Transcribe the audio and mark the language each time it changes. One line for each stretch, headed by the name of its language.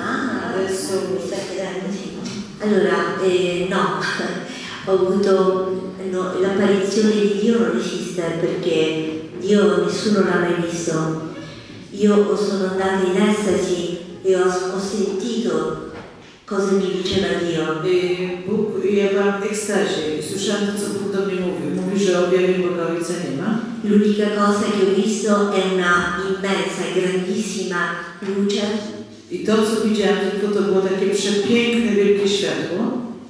Italian: Ah, adesso mi stai chiedendo, sì. Allora, no, ho avuto no, l'apparizione di Dio non esiste perché Dio nessuno l'ha mai visto. Io sono andata in estasi. E ho sentito cosa mi diceva Dio.
Polish: E Bóg, ja byłam w ekstazie i słyszałam to, co Bóg do mnie mówił. Mówi, że objawień Boga Ojca nie ma.
Italian: L'unica cosa che ho visto è una immensa, grandissima luce.
Polish: I to, co widziałam, tylko to było takie przepiękne, wielkie światło.